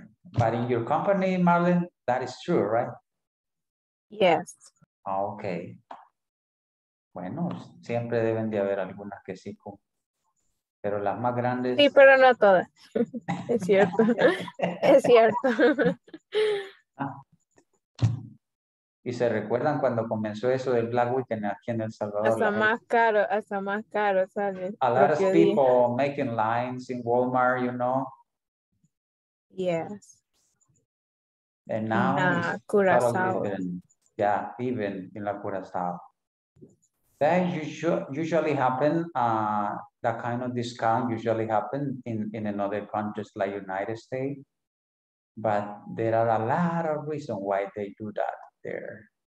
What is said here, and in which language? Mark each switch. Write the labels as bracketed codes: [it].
[en] But in your company, Marlene, that is true, right? Yes. Okay. [es] Bueno, siempre deben de haber algunas que sí. Pero las más grandes. Sí, pero no todas. Es cierto. Es cierto. ¿Y se recuerdan cuando comenzó eso del Black Weekend aquí en El Salvador? Hasta más caro, sale. [en] A lot of people making lines in Walmart, you know? Yes. And now, Curaçao. Yeah, even in La Curaçao. That usually happen, that kind of discount usually happen in another countries like United States, but there are a lot of reasons why they do that there.